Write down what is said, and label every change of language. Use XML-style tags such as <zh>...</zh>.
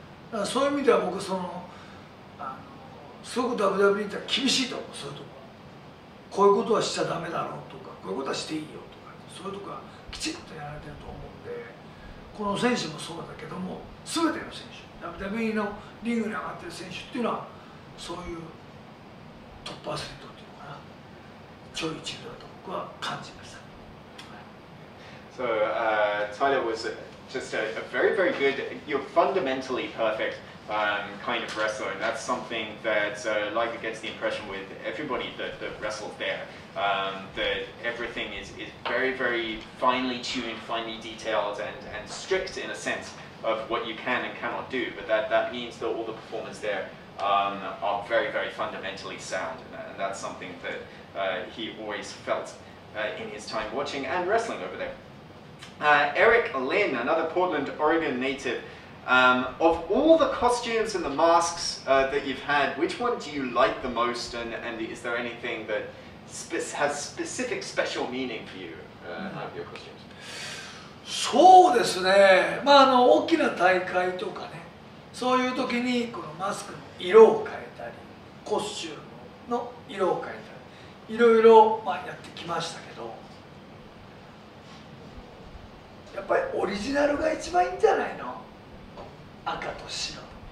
<ja>だからそういう意味では僕すごく WWE って厳しいと思う。そういうとこはこういうことはしちゃダメだろうとか、こういうことはしていいよとか、そういうとこはきちっとやられてると思うんで、この選手もそうだけども、全ての選手、 WWE のリングに上がってる選手っていうのはそういうトップアスリートっていうのかな、超一流だと僕は感じました。</ja> <en>So Tyler was just a very, very good, you're fundamentally perfect kind of wrestler, and that's something that Liger gets the impression with everybody that wrestles there, that everything is very, very finely tuned, finely detailed, and strict in a sense of what you can and cannot do, but that means that all the performers there are very, very fundamentally sound, and that's something that he always felt in his time watching and wrestling over there. Eric Lin, another Portland, Oregon native, of all the costumes and the masks that you've had, which one do you like the most, and is there anything that has specific special meaning for you out of your costumes?</en> <ja>そうですね、まあ大きな大会とかね、そういう時にこのマスクの色を変えたり、コスチュームの色を変えたり、いろいろやってきましたけど、やっぱりオリジナルが一番いいんじゃないの、赤と白。</ja>